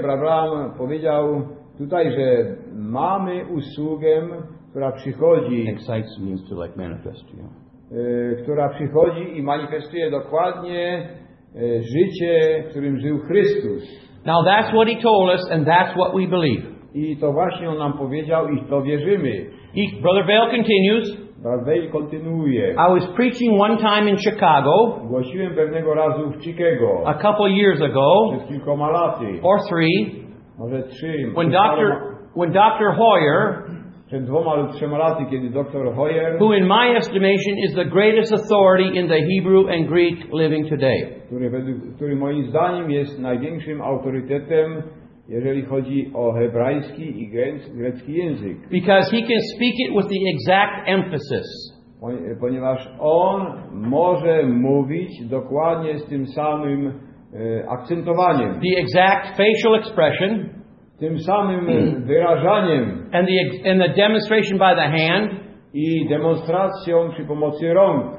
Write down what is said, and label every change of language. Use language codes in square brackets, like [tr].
[pl] Brother Branham powiedział tutaj, że mamy usługę, która przychodzi. [en] Excites means to like manifest, yeah. [pl] Która przychodzi i manifestuje dokładnie życie, którym żył Chrystus. [en] Now that's what he told us and that's what we believe. [pl] I to właśnie on nam powiedział i to wierzymy. [en] He, Brother Vale continues. [pl] Brother Vale kontynuuje. [en] I was preaching one time in Chicago. [pl] Głosiłem pewnego razu w Chicago. [en] A couple years ago. [pl] Przed kilkoma laty. [en] Or three. [pl] Może trzy. [en] When Dr. Hoyer. [pl] Przed dwoma lub trzema laty, kiedy Dr. [en] Hoyer. Who in my estimation is the greatest authority in the Hebrew and Greek living today. [pl] Który moim zdaniem jest największym autorytetem, jeżeli chodzi o hebrajski i grecki język. [en] Because he can speak it with the exact emphasis. [pl] Ponieważ on może mówić dokładnie z tym samym akcentowaniem. [en] The exact facial expression. [pl] Tym samym wyrażaniem. [en] And the demonstration by the hand. [pl] I demonstracją przy pomocy rąk.